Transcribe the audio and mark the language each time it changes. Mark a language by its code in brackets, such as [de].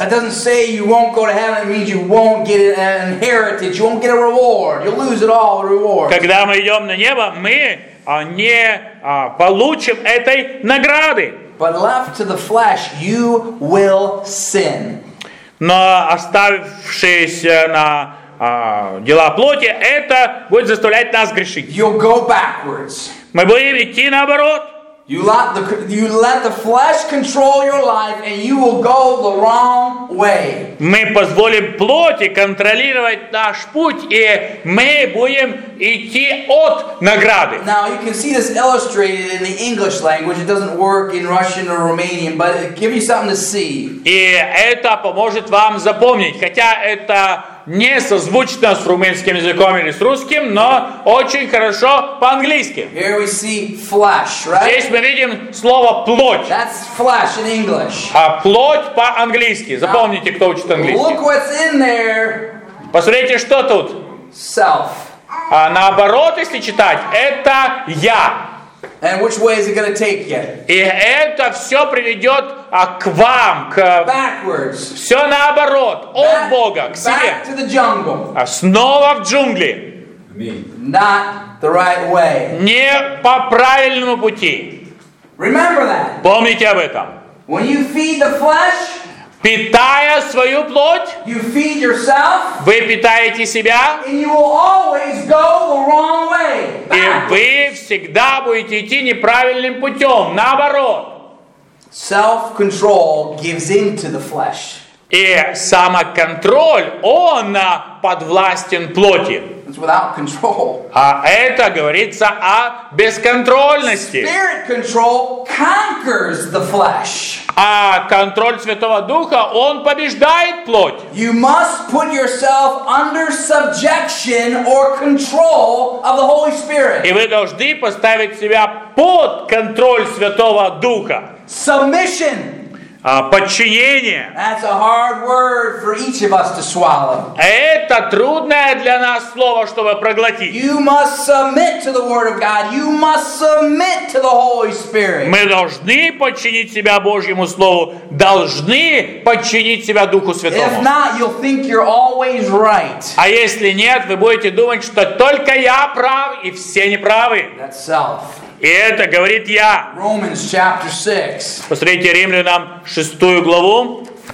[en] It doesn't say you won't go to heaven, it means you won't get an inheritance, you won't get a reward, you'll lose it all, a reward. [ru] Когда мы идем на небо, мы не получим этой награды. [en] But left to the flesh, you will sin. [ru] Но оставившись на дела плоти, это будет заставлять нас грешить. [en] You'll go backwards. [ru] Мы будем идти наоборот. [en] You let the flesh control your life, and you will go the wrong way. [ru] Мы позволим плоти контролировать наш путь, и мы будем идти от награды. [en] Now you can see this illustrated in the English language. It doesn't work in Russian or Romanian, but it gives you something to see. [ru] И это поможет вам запомнить, хотя это не созвучно с румынским языком или с русским, но очень хорошо по-английски. [en] Here we see flesh, right? [ru] Здесь мы видим слово плоть. [en] That's flesh in English. [ru] А плоть по-английски. Запомните, кто учит английский. [en] Look what's in there. [ru] Посмотрите, что тут. [en] Self. [ru] А наоборот, если читать, это я. [en] And which way is it going to take you? [ru] И это все приведет к вам, к [en] backwards. [ru] Все наоборот, от Бога к себе. [en] Back to the jungle. [ru] Снова в джунгли. [en] Not the right way. [ru] Не по правильному пути. [en] Remember that. [ru] Помните об этом. [en] When you feed the flesh, [ru] питая свою плоть, [en] you feed yourself, [ru] вы питаете себя, [en] and you will always go the wrong way. [ru] И вы всегда будете идти неправильным путем, наоборот. [en] Self-control gives in to the flesh. [ru] И самоконтроль, он подвластен плоти. [en] It's without control. [ru] А это говорится о бесконтрольности. [en] Spirit control conquers the flesh. [ru] А контроль Святого Духа, он побеждает плоть. [en] You must put yourself under subjection or control of the Holy Spirit. [ru] И вы должны поставить себя под контроль Святого Духа. [en] Submission. [ru] Подчинение. [en] That's a hard word for each of us to swallow. [ru] Это трудное для нас слово, чтобы проглотить. [en] You must submit to the Word of God. You must submit to the Holy Spirit. [ru] Мы должны подчинить себя Божьему Слову. Должны подчинить себя Духу Святому. [en] If not, you'll think you're always right. [ru] А если нет, вы будете думать, что только я прав, и все неправы. [en] That's self. [ru] И это говорит я. [en] Romans chapter 6. [ru] Посмотрите Римлянам 6 главу.